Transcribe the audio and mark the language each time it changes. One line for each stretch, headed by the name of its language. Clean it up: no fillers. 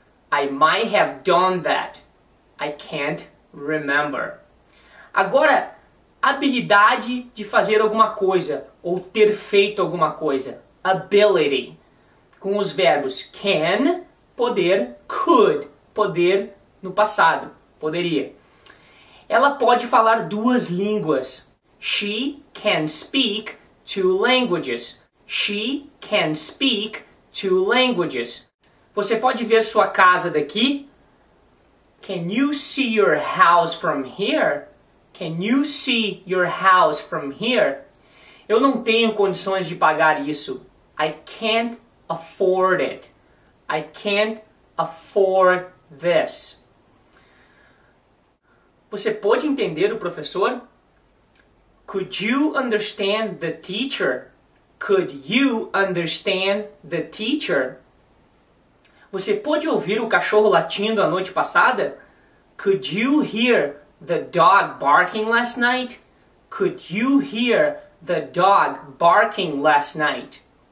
English: I might have done that. I can't remember. Agora,
Portuguese: habilidade de fazer alguma coisa ou ter feito alguma coisa. Ability. Com os verbos can, poder, could, poder no passado, poderia. Ela pode falar duas línguas.
English: She can speak two languages. She can speak two languages.
Portuguese: Você pode ver sua casa daqui?
English: Can you see your house from here? Can you see your house from here?
Portuguese: Eu não tenho condições de pagar isso.
English: I can't afford it. I can't afford this.
Portuguese: Você pode entender o professor?
English: Could you understand the teacher? Could you understand the teacher?
Portuguese: Você pôde ouvir o cachorro latindo a noite passada?
English: Could you hear the dog barking last night? Could you hear the dog barking last night?